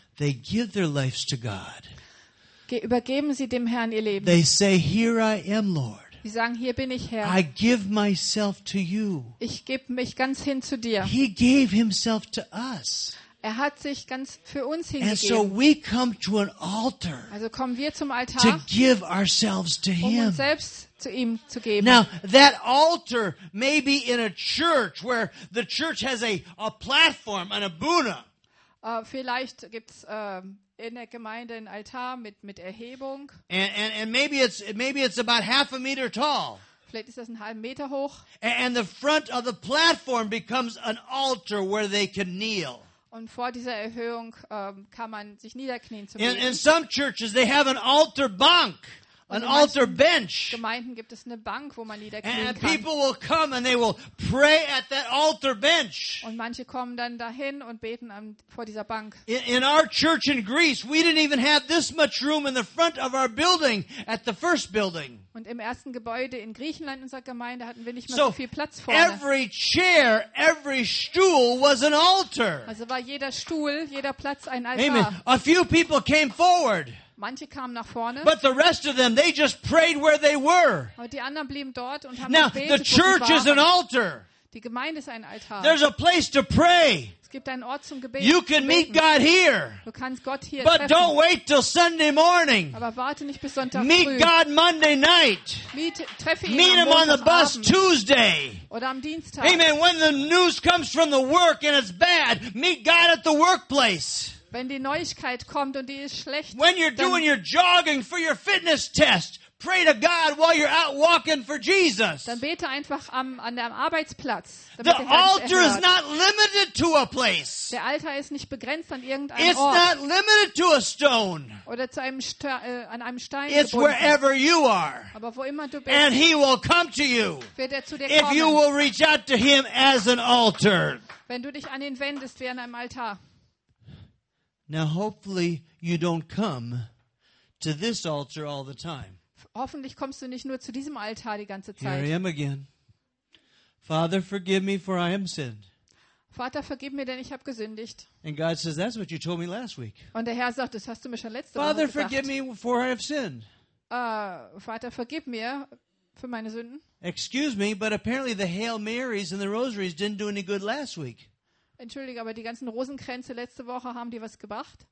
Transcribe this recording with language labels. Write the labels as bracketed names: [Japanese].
[English] they give their lives to God, [German] übergeben sie dem Herrn ihr Leben. [English] They say, "Here I am, Lord." [German] Sie sagen, hier bin ich, Herr. [English] I give myself to you. [German] Ich gebe mich ganz hin zu dir. [English] He gave himself to us. [German] Er hat sich ganz für uns hingegeben. [English] And so we come to an altar. [German] Also kommen wir zum Altar. [English] To give ourselves to him. [German] Um uns selbst zu ihm zu geben. [English] Now that altar may be in a church where the church has a platform, an abuna. [German] Vielleicht gibt's in der Gemeinde ein Altar mit Erhebung. [English] And maybe it's about half a meter tall. [German] Vielleicht ist das einen halben Meter hoch. [English] And the front of the platform becomes an altar where they can kneel. [German] Und vor dieser Erhöhung kann man sich niederknien zum Beten. [English] In some churches they have an altar bunk. An altar bench. [German] Gemeinden gibt es eine Bank, wo man niederknien kann. [English] And people will come and they will pray at that altar bench. [German] Und manche kommen dann dahin und beten vor dieser Bank. [English] In our church in Greece, we didn't even have this much room in the front of our building at the first building. [German] Und im ersten Gebäude in Griechenland unserer Gemeinde hatten wir nicht mal so viel Platz vorne. [English] Every chair, every stool was an altar. [German] Also war jeder Stuhl, jeder Platz ein Altar. Amen. [English] A few people came forward. [German] Manche kamen nach vorne. [English] But the rest of them, they just prayed where they were. [German] Aber die anderen blieben dort und haben [English] now, [German] gebetet, [English] the church [German] wo sie waren. [English] Is an altar. [German] Die Gemeinde ist ein Altar. [English] There's a place to pray. [German] Es gibt einen Ort zum Gebet. [English] You can meet God here. [German] Du kannst Gott hier [English] but [German] treffen. [English] Don't wait till Sunday morning. [German] Aber warte nicht bis Sonntag früh. [English] Meet God Monday night. Meet him on the bus Tuesday. [German] Oder am Dienstag. Amen. [English] When the news comes from the work and it's bad, meet God at the workplace. [German] Wenn die Neuigkeit kommt und die ist schlecht, [English] when you're doing your jogging for your fitness test, pray to God while you're out walking for Jesus. [German] Dann bete einfach an deinem Arbeitsplatz. [English] The altar is not limited to a place. [German] Der Altar ist nicht begrenzt an irgendeinem [English] Ort. It's not limited to a stone. [German] Oder zu einem an einem Stein. [English] It's wherever you are. [German] Aber wo immer du bist. [English] And he will come to you. [German] Wird er zu dir kommen. [English] If you will reach out to him as an altar. [German] Wenn du dich an ihn wendest wie an einem Altar. [English] Now hopefully you don't come to this altar all the time. [German] Hoffentlich kommst du nicht nur zu diesem Altar die ganze Zeit. [English] Here I am again. Father, forgive me for I am sinned. [German] Vater, vergib mir, denn ich habe gesündigt. [English] And God says, that's what you told me last week. [German] Und der Herr sagt, das hast du mir schon letzte [English] Father, [German] Woche gesagt. [English] Father, forgive me for I have sinned. [German] Vater, vergib mir für meine Sünden. [English] Excuse me, but apparently the Hail Marys and the Rosaries didn't do any good last week. [German] Entschuldige, aber die ganzen Rosenkränze letzte Woche haben dir was gebracht?